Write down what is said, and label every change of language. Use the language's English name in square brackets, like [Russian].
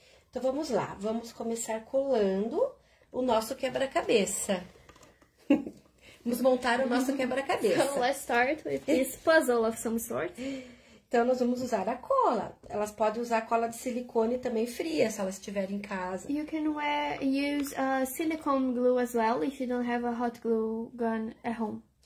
[Portuguese] Então vamos lá, vamos começar colando o nosso quebra-cabeça. Vamos montar o nosso quebra-cabeça. [English] So let's start with this puzzle of some sort. [Portuguese] Então nós vamos usar a cola. Elas podem usar cola de silicone também fria, se elas estiverem em casa. [English] You can use a silicone glue as well if you don't have a hot glue gun at home.